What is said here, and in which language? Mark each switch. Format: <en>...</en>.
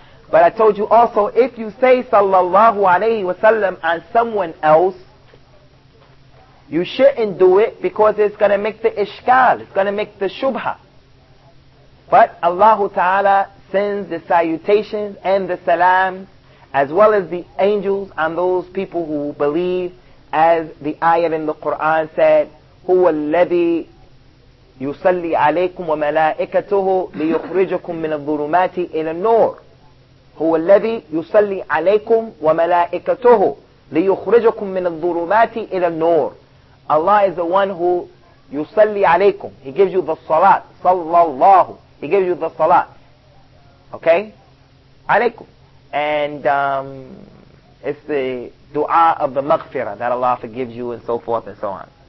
<en>But I told you also, if you say sallallahu alayhi wa sallam on someone else, you shouldn't do it because it's going to make the ishkal, it's going to make the shubha. But Allah ta'ala sends the salutations and the salam, as well as the angels on those people who believe. As the ayah in the Quran said,</en> <ar>هو الذي يصلي عليكم وملائكته ليخرجكم من الظلمات إلى النور. هو الذي يصلي عليكم وملائكته ليخرجكم من الظلمات إلى النور.</ar> <en>Allah is the one who</en> <ar>يصلي عليكم.</ar> <en>He gives you the salat.</en> <ar>صلى الله.</ar> <en>He gives you the salat. Okay? عليكم. And It's the dua of the maghfirah, that Allah forgives you and so forth and so on.</en>